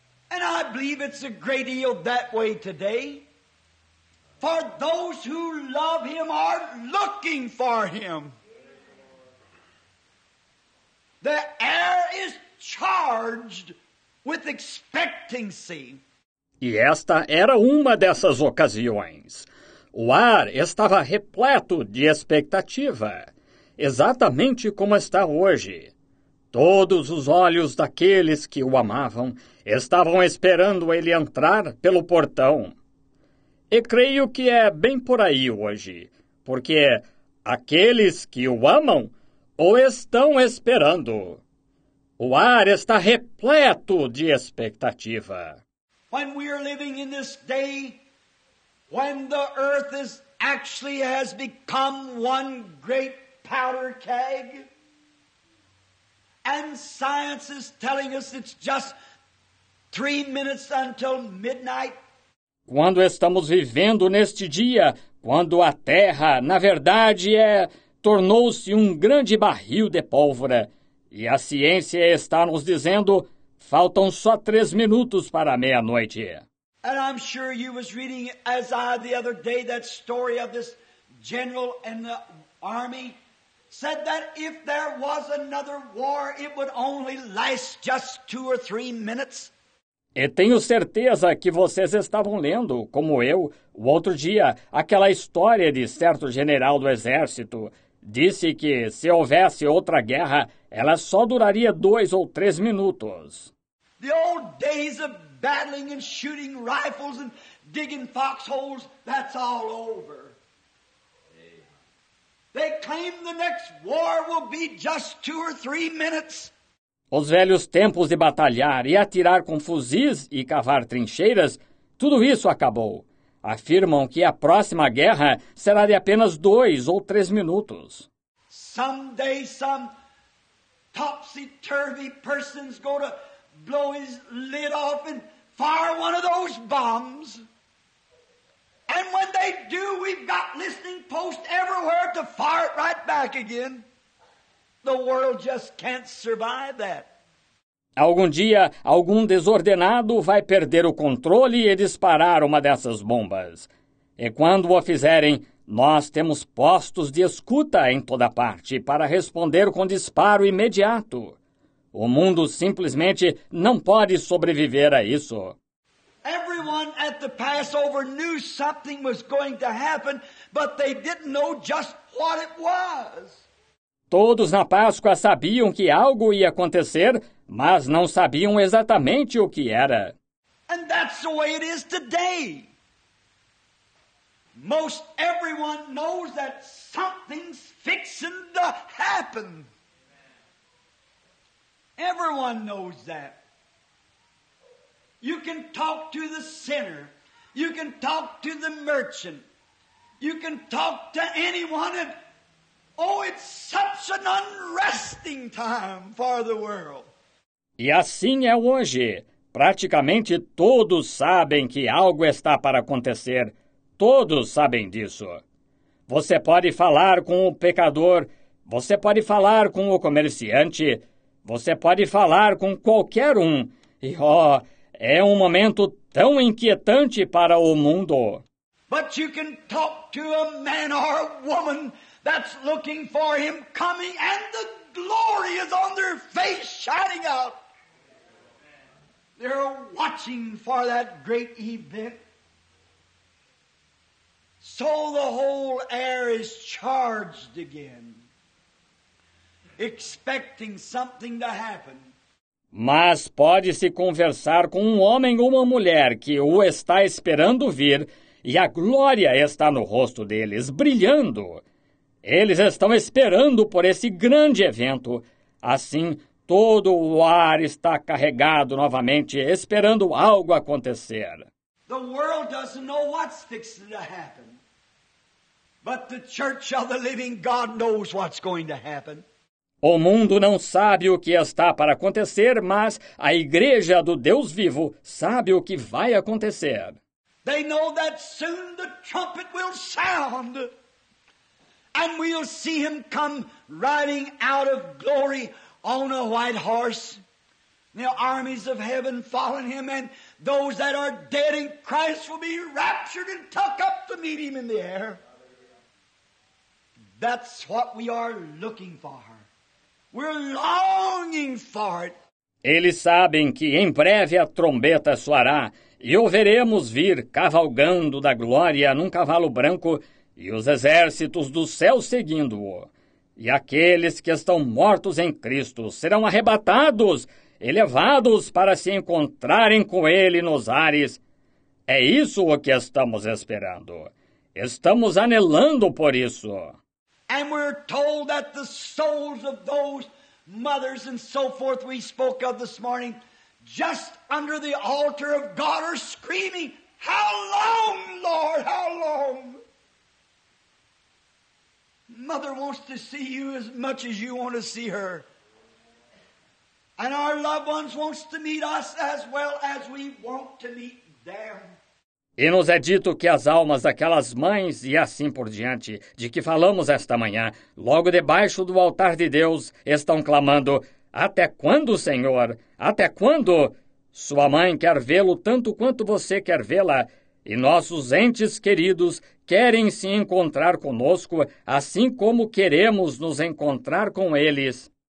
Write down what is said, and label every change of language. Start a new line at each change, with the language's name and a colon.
English: And I believe it's a great deal that way today. For those who love him are looking for him. The air is charged with expectancy.
Portuguese: E esta era uma dessas ocasiões. O ar estava repleto de expectativa, exatamente como está hoje. Todos os olhos daqueles que o amavam estavam esperando ele entrar pelo portão. E creio que é bem por aí hoje, porque aqueles que o amam o estão esperando. O ar está repleto de expectativa.
English: When we are living in this day, when the earth is actually has become one great powder keg, and science is telling us it's just 3 minutes until midnight.
Portuguese: Quando estamos vivendo neste dia, quando a Terra, na verdade, tornou-se um grande barril de pólvora, e a ciência está nos dizendo, faltam só 3 minutos para a meia-noite.
English: And I'm sure you was reading, as I the other day, that story of this general in the army said that if there was another war, it would only last just 2 or 3 minutes.
Portuguese: E tenho certeza que vocês estavam lendo, como eu, o outro dia, aquela história de certo general do exército. Disse que se houvesse outra guerra, ela só duraria 2 ou 3 minutos.
English: The old days of battling and shooting rifles and digging foxholes, that's all over. They claim the next war will be just 2 or 3 minutes.
Portuguese: Os velhos tempos de batalhar e atirar com fuzis e cavar trincheiras, tudo isso acabou. Afirmam que a próxima guerra será de apenas 2 ou 3 minutos.
English: Someday some topsy-turvy person's going to blow his lid off and fire one of those bombs. And when they do, we've got listening posts everywhere to fire it right back again. The world just can't survive that.
Portuguese: Algum dia, algum desordenado vai perder o controle e disparar uma dessas bombas. E quando o fizerem, nós temos postos de escuta em toda parte para responder com disparo imediato. O mundo simplesmente não pode sobreviver a isso.
English: Everyone at the Passover knew something was going to happen, but they didn't know just what it was.
Portuguese: Todos na Páscoa sabiam que algo ia acontecer, mas não sabiam exatamente o que era.
English: And that's the way it is today. Most everyone knows that something's fixing to happen. Everyone knows that. You can talk to the sinner. You can talk to the merchant. You can talk to anyone. And, oh, it's such an unresting time for the world.
Portuguese: E assim é hoje. Praticamente todos sabem que algo está para acontecer. Todos sabem disso. Você pode falar com o pecador. Você pode falar com o comerciante. Você pode falar com qualquer um. E, oh, é um momento tão inquietante para o mundo.
English: But you can talk to a man or a woman that's looking for him coming and the glory is on their face shining out. They're watching for that great event. So the whole air is charged again, expecting something to happen.
Portuguese: Mas pode-se conversar com um homem ou uma mulher que o está esperando vir, e a glória está no rosto deles, brilhando. Eles estão esperando por esse grande evento. Assim, Todo o ar está carregado novamente, esperando algo acontecer.
English: The world doesn't know what's fixing to happen. But the church of the living God knows what's going to happen.
Portuguese: O mundo não sabe o que está para acontecer, mas a igreja do Deus vivo sabe o que vai acontecer.
English: They know that soon the trumpet will sound. And we'll see him come riding out of glory on a white horse. The armies of heaven following him, and those that are dead in Christ will be raptured and tucked up to meet him in the air. That's what we are looking for. We're longing for it.
Portuguese: Eles sabem que em breve a trombeta soará e o veremos vir cavalgando da glória num cavalo branco e os exércitos do céu seguindo-o. E aqueles que estão mortos em Cristo serão arrebatados e levados para se encontrarem com Ele nos ares. É isso o que estamos esperando. Estamos anelando por isso.
English: And we're told that the souls of those mothers and so forth we spoke of this morning, just under the altar of God, are screaming, "How long, Lord? How long?" Mother wants to see you as much as you want to see her. And our loved ones wants to meet us as well as we want to meet them.
Portuguese: E nos é dito que as almas daquelas mães e assim por diante, de que falamos esta manhã, logo debaixo do altar de Deus, estão clamando, "Até quando, Senhor? Até quando?" Sua mãe quer vê-lo tanto quanto você quer vê-la, e nossos entes queridos querem se encontrar conosco, assim como queremos nos encontrar com eles.